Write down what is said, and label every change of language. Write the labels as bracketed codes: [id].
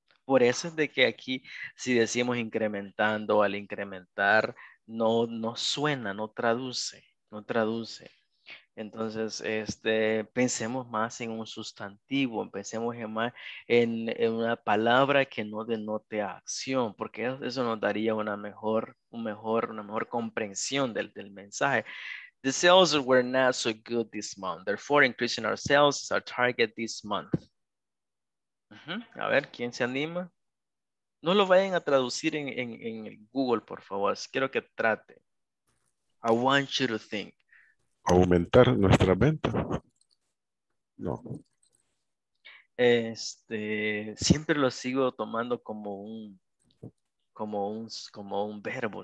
[es] Por eso es de que aquí, si decimos incrementando, al incrementar, no suena, no traduce. Entonces, pensemos más en un sustantivo, pensemos más en una palabra que no denote acción, porque eso nos daría una mejor comprensión del mensaje. [en] The sales were not so good this month. Therefore, increasing our sales is our target this month. [es] Uh-huh. A ver, ¿quién se anima? No lo vayan a traducir en Google, por favor. Quiero que trate. [en] I want you to think. [es] ¿Aumentar nuestra venta? No. Siempre lo sigo tomando como un verbo.